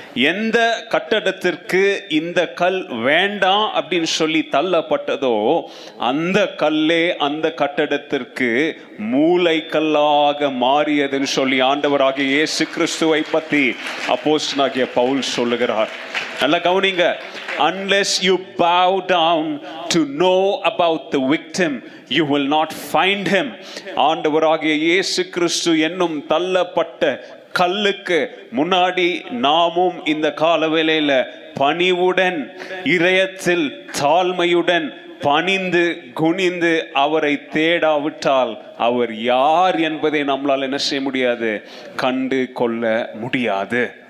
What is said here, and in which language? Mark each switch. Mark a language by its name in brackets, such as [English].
[Tamil] எந்த கட்டடத்திற்கு இந்த கல் வேண்டாம் அப்படின்னு சொல்லி தள்ளப்பட்டதோ அந்த கல்லே அந்த கட்டடத்திற்கு மூளைக்கல்லாக மாறியதுன்னு சொல்லி ஆண்டவராகிய இயேசு கிறிஸ்துவை பத்தி அப்போஸ்தலனாகிய பவுல் சொல்லுகிறார். நல்ல கவனிங்க, [English] unless you bow down to know about the victim you will not find him. [Tamil] ஆண்டவராகிய இயேசு கிறிஸ்து என்னும் தள்ளப்பட்ட கல்லுக்கு முன்னாடி நாமும் இந்த காலவேளையில பணிவுடன், இதயத்தில் தாழ்மையுடன் பணிந்து குனிந்து அவரை தேடாவிட்டால் அவர் யார் என்பதை நம்மளால் என்ன செய்ய முடியாது, கண்டு கொள்ள முடியாது.